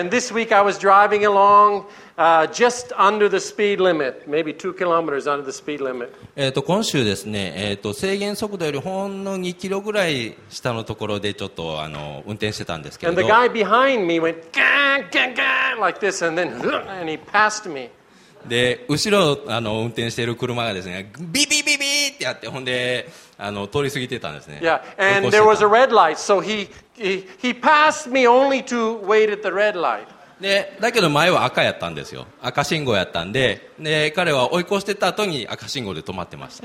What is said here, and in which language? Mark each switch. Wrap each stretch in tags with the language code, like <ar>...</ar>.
<en>And this week I was driving along, just under the speed limit, maybe 2 kilometers under the speed limit.</en> <ja>今週ですね、制限速度よりほんの2キロぐらい下のところでちょっと運転してたんですけど。</ja> <en>And the guy behind me went ガンガンガン like this, and then and he passed me.</en> <ja>で後ろ運転している車がですね、ビビビビってやって、ほんで通り過ぎてたんですね。</ja> <en>Yeah, and there was a red light, so he passed me only to wait at the red light.</en> <ja>でだけど前は赤やったんですよ。赤信号やったんで、で彼は追い越してた後に赤信号で止まってました。</ja>